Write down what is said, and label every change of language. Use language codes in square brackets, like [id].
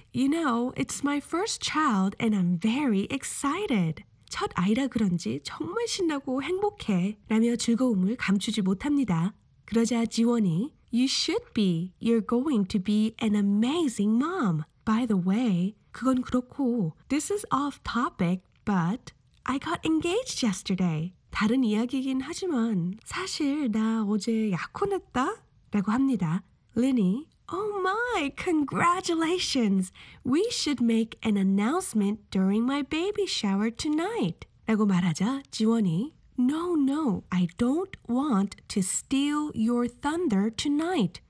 [en] You know, it's my first child and I'm very excited. [ko] 첫 아이라 그런지 정말 신나고 행복해 라며 즐거움을 감추지 못합니다. 그러자 지원이 [en] You should be. You're going to be an amazing mom. By the way, [ko] 그건 그렇고, [en] this is off topic, but I got engaged yesterday. [ko] 다른 이야기긴 하지만, 사실 나 어제 약혼했다? 라고 합니다. [en] Linny, oh my, congratulations. We should make an announcement during my baby shower tonight. [ko] 라고 말하자, 지원이, [en] No, no, I don't want to steal your thunder tonight.